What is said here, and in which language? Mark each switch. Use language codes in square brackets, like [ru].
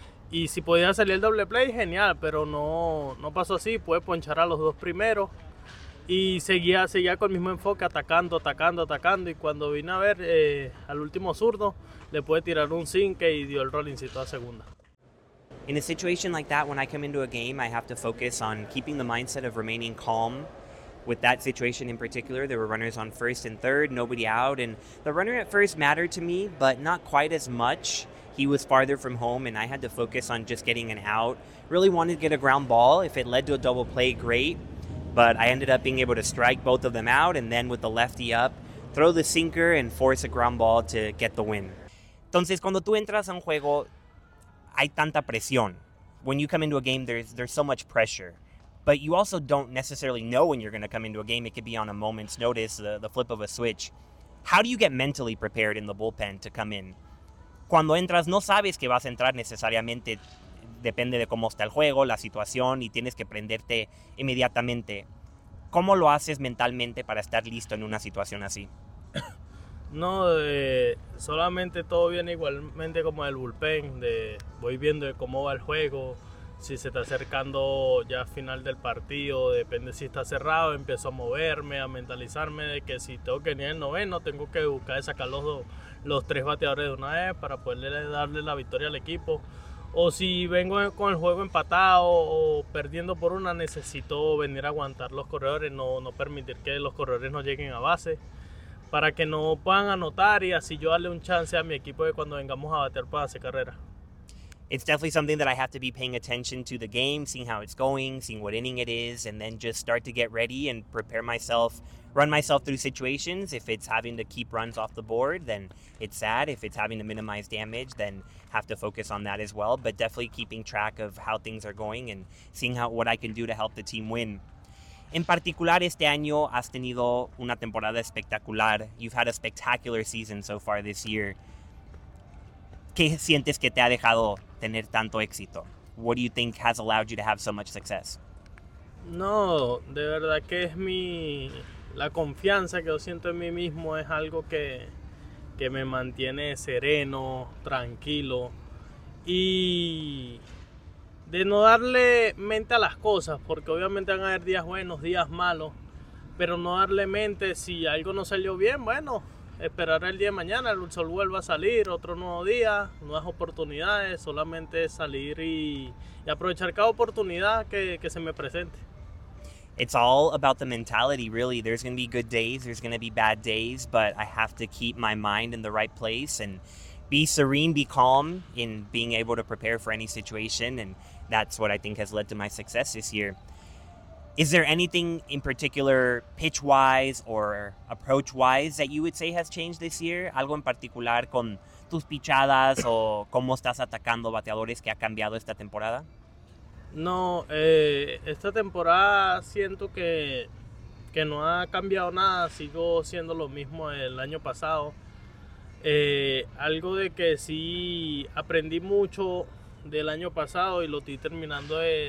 [es] Y si podía salir el doble play, genial, pero no pasó así. Pude ponchar a los dos primeros y seguía con el mismo enfoque, atacando. Y cuando vine a ver al último zurdo, le pude tirar un sink y dio el rollingcito a segunda. [en] In a situation like that, when I come into a game, I have to focus on keeping the mindset of remaining calm. With that situation in particular, there were runners on first and third, nobody out, and the runner at first mattered to me, but not quite as much. He was farther from home, and I had to focus on just getting an out. Really wanted to get a ground ball. If it led to a double play, great, but I ended up being able to strike both of them out, and then with the lefty up, throw the sinker and force a ground ball to get the win. [es] Entonces, cuando tú entras a un juego, hay tanta presión. [en] When you come into a game, there's so much pressure. But you also don't necessarily know when you're going to come into a game. It could be on a moment's notice, the flip of a switch. How do you get mentally prepared in the bullpen to come in? [es] Cuando entras, no sabes que vas a entrar necesariamente. Depende de cómo está el juego, la situación, y tienes que prenderte inmediatamente. ¿Cómo lo haces mentalmente para estar listo en una situación así? No, solamente todo viene igualmente como el bullpen. Voy viendo de cómo va el juego. Si se está acercando ya al final del partido, depende si está cerrado, empiezo a moverme, a mentalizarme de que si tengo que venir el noveno, tengo que buscar y sacar los tres bateadores de una vez para poderle darle la victoria al equipo. O si vengo con el juego empatado o perdiendo por una, necesito venir a aguantar los corredores, no permitir que los corredores no lleguen a base para que no puedan anotar y así yo darle un chance a mi equipo de cuando vengamos a batear para hacer carrera. [en] It's definitely something that I have to be paying attention to the game, seeing how it's going, seeing what inning it is, and then just start to get ready and prepare myself, run myself through situations. If it's having to keep runs off the board, then it's sad. If it's having to minimize damage, then have to focus on that as well. But definitely keeping track of how things are going and seeing what I can do to help the team win. [es] En particular, este año has tenido una temporada espectacular. [en] You've had a spectacular season so far this year. [es] ¿Qué sientes que te ha dejado tener tanto éxito? [en] What do you think has allowed you to have so much success? [es] No, de verdad que es la confianza que yo siento en mí mismo es algo que me mantiene sereno, tranquilo y de no darle mente a las cosas, porque obviamente van a haber días buenos, días malos, pero no darle mente si algo no salió bien, bueno, esperar el día de mañana, el sol vuelva a salir, otro nuevo día, nuevas oportunidades, solamente salir y aprovechar cada oportunidad que se me presente. [en] It's all about the mentality, really. There's going to be good days, there's going to be bad days, but I have to keep my mind in the right place and be serene, be calm in being able to prepare for any situation, and that's what I think has led to my success this year. Is there anything in particular pitch-wise or approach-wise that you would say has changed this year? [es] ¿Algo en particular con tus pichadas o cómo estás atacando bateadores que ha cambiado esta temporada? No, esta temporada siento que no ha cambiado nada. Sigo siendo lo mismo el año pasado. Algo de que sí aprendí mucho del año pasado y lo estoy terminando